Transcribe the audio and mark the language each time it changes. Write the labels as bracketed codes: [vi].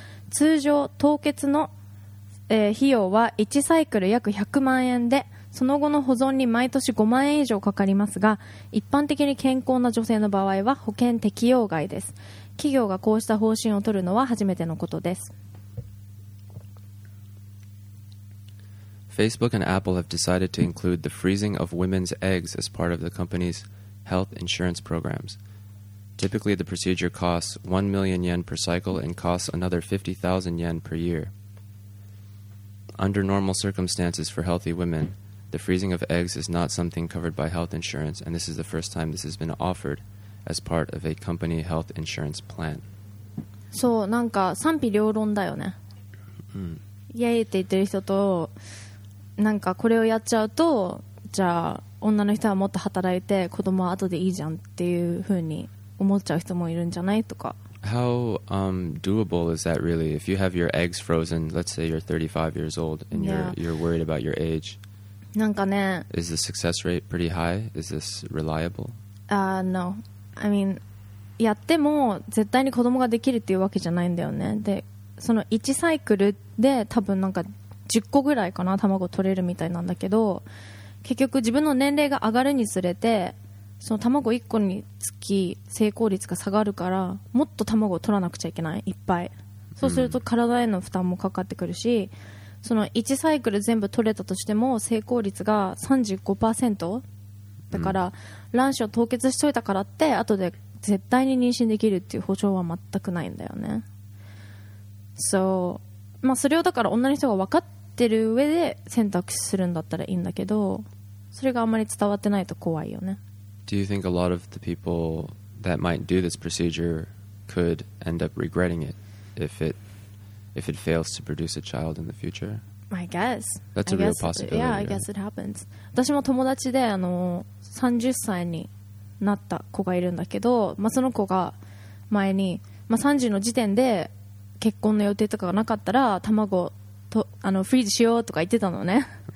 [ja] 通常凍結の、費用は1サイクル約100万円で、その後の保存に毎年5万円以上かかりますが、一般的に健康な女性の場合は保険適用外です。企業がこうした方針を取るのは初めてのことです。 [en] Facebook and Apple have decided to include the freezing of women's eggs as part of the company's health insurance programs. Typically the procedure costs 1 million yen per cycle and costs another 50,000 yen per year. Under normal circumstances for healthy womenThe freezing of eggs is not something covered by health insurance, and this is the first time this has been offered as part of a company health insurance plan. [ja] そう、なんか賛否両論だよね。イエーイって言ってる人と、なんかこれをやっちゃうと、じゃあ女の人はもっと働いて子供は後でいいじゃんっていう風に思っちゃう人もいるんじゃないとか。 [en] How doable is that really? If you have your eggs frozen, let's say you're 35 years old and you're worried about your age. [ja] なんかね、 [en] Is the success rate pretty high? Is this reliable? No. I mean, [ja] やっても絶対に子供ができるっていうわけじゃないんだよね。で、その1サイクルで多分なんか10個ぐらいかな、卵取れるみたいなんだけど、結局自分の年齢が上がるにつれて、その卵1個につき成功率が下がるから、もっと卵を取らなくちゃいけない、いっぱい。そうすると体への負担もかかってくるし、その1サイクル全部取れたとしても成功率が 35% だから、卵子を凍結しといたからって後で絶対に妊娠できるっていう保証は全くないんだよね。そう、まあそれをだから女の人が分かってる上で選択するんだったらいいんだけど、それがあまり伝わってないと怖いよね。 [en] Do you think a lot of the people that might do this procedure could end up regretting it if it fails to produce a child in the future? I guess. That's a real possibility. Yeah, I guess it happens. [ja] 私も友達で30歳になった子がいるんだけど、まあ、その子が前に、まあ、30の時点で結婚の予定とかがなかったら卵とフリーズしようとか言ってたのね。